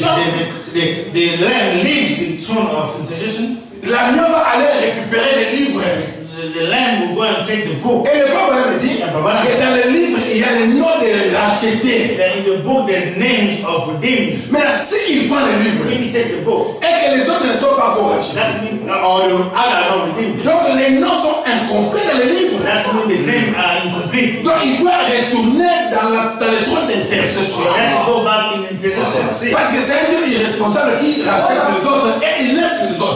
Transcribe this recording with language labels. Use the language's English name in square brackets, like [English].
[English] And the lamb leaves the throne of intercession. [French] L'agneau va aller récupérer les livres. [English] The lamb will go and take the book. [French] Et le papa me dit que dans le livre il y a le nom de racheté. [English] That in the book there's names of redeemed. [French] Maintenant, si il prend le livre, [English] if he take the book, [French] et que les autres ne sont pas encore rachetés, donc les noms sont incomplets dans le livre. [English] That's mean the names are incomplete. [French] Donc il doit retourner dans le trône d'intercession. [English] Let's go back in intercession. [French] Parce que c'est un Dieu irresponsable qui rachète les autres et il laisse les autres.